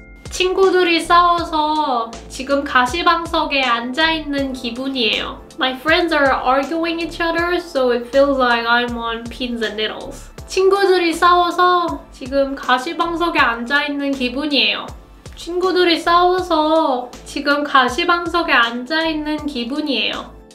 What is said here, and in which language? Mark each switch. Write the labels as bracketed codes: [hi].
[ko] 친구들이 싸워서 지금 가시방석에 앉아 있는 기분이에요. [en] My friends are arguing each other, so it feels like I'm on pins and needles. [ko] 친구들이 싸워서 지금 가시방석에 앉아 있는 기분이에요. 친구들이 싸워서 지금 가시방석에 앉아 있는 기분이에요.